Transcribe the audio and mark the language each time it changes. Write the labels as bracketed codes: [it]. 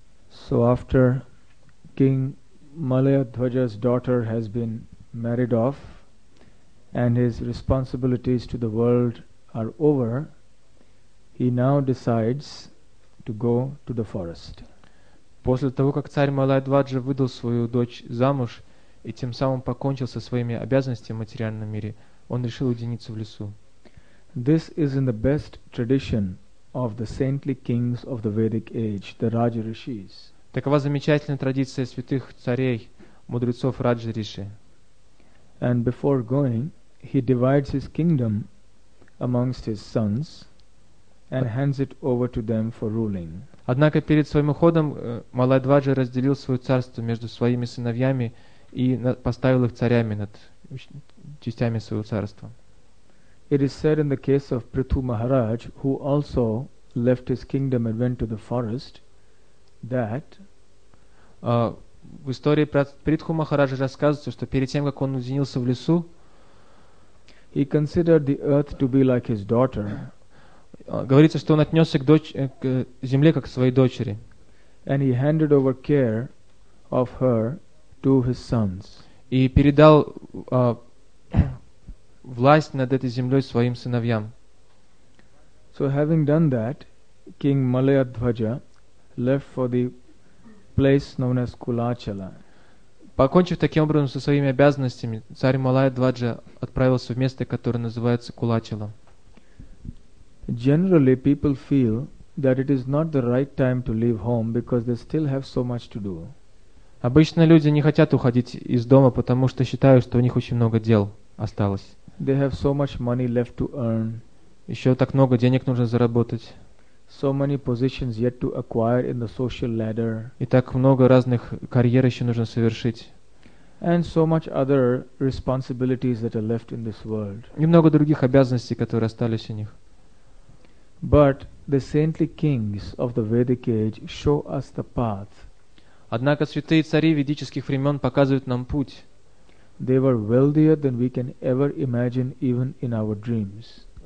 [en] So after King Malayadhvaja's daughter has been married off and his responsibilities to the world are over, he now decides to go to the forest. [ru] После того, как царь Малайадваджа выдал свою дочь замуж и тем самым покончил со своими обязанностями в материальном мире, он решил уединиться в лесу. [en] This is in the best tradition of the saintly kings of the Vedic age, the Rajarishis. [ru] Такова замечательная традиция святых царей, мудрецов Раджа-риши. [en] And before going, he divides his kingdom amongst his sons and hands it over to them for ruling. [ru] Однако перед своим уходом Малайадваджа разделил свое царство между своими сыновьями и поставил их царями над частями своего царства. [en] It is said in the case of Prithu Maharaj, who also left his kingdom and went to the forest, that [ru] в истории про Притху Махараджа рассказывается, что перед тем, как он уединился в лесу, [en] he considered the earth to be like his daughter. [ru] Говорится, что он отнесся к земле как к своей дочери. [en] And he handed over care of her to his sons. [ru] И передал власть над этой землей своим сыновьям. [en] So having done that, King Malayadhvaja left for the place known as Kulachala. [ru] Покончив таким образом со своими обязанностями, царь Малая-дваджа отправился в место, которое называется Кулачала. [en] Generally, people feel that it is not the right time to leave home because they still have so much to do. [ru] Обычно люди не хотят уходить из дома, потому что считают, что у них очень много дел осталось. [en] They have so much money left to earn. [ru] Еще так много денег нужно заработать. [en] So many positions yet to acquire in the social ladder. [ru] И так много разных карьер еще нужно совершить. [en] And so much other responsibilities that are left in this world. [ru] И много других обязанностей, которые остались у них. [en] But the saintly kings of the Vedic age show us the path. [ru] Однако святые цари ведических времен показывают нам путь. [en] They were wealthier than we can ever imagine even in our dreams.